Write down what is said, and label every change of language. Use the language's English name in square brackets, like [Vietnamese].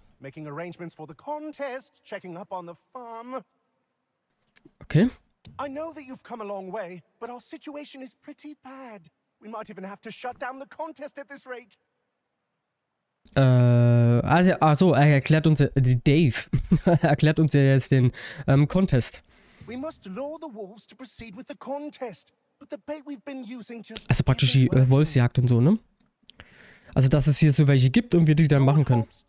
[English] Making arrangements for the contest, checking up on the farm. Okay. I know that you've come a long way, but our situation is pretty bad. We might even have to shut down the contest at this rate. [German] Also, er erklärt uns, Dave, erklärt uns ja jetzt den Contest. [English] We must lure the wolves to proceed with the contest, but the bait we've been using just... [German] Also praktisch die Wolfsjagd und so, ne? Also, dass es hier so welche gibt und wir die dann machen können.